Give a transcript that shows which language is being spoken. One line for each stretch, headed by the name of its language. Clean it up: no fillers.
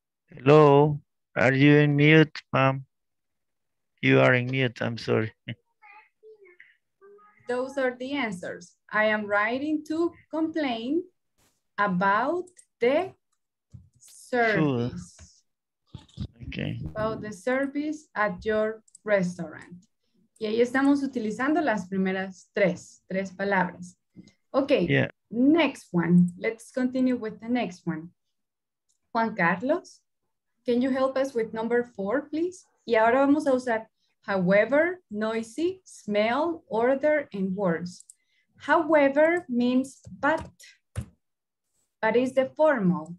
English: Hello, are you in mute, ma'am? You are in mute, I'm sorry. Those are the answers. I am writing to complain about the service. Okay. About the service at your restaurant.
Spanish: Y ahí estamos utilizando las primeras tres palabras. Okay. Yeah.
English: Next one. Let's continue with the next one. Juan Carlos, can you help us with number four, please?
Spanish: Y ahora vamos a usar
English: however, noisy, smell, order, and worse. However means but it's the formal.